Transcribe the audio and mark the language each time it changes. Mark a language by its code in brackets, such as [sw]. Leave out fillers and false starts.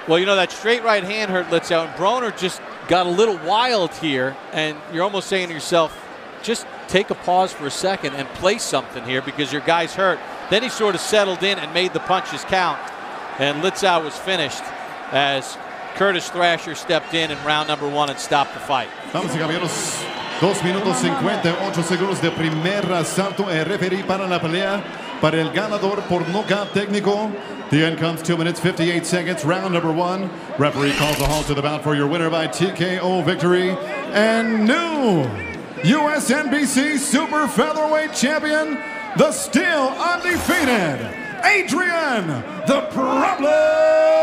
[en] Well, you know, that straight right hand hurt Litzau, and Broner just got a little wild here, and you're almost saying to yourself, just take a pause for a second and play something here because your guy's hurt. Then he sort of settled in and made the punches count, and Litzau was finished as Curtis Thrasher stepped in round number one and stopped the fight. [es] Vamos, caballeros. 2:58 de primer asalto. El referee para la pelea, para el ganador por nocaut técnico. [en] The end comes 2:58, round number one. Referee calls a halt to the bout for your winner by TKO victory. And new USNBC Super Featherweight Champion, the still undefeated, Adrien the Problem.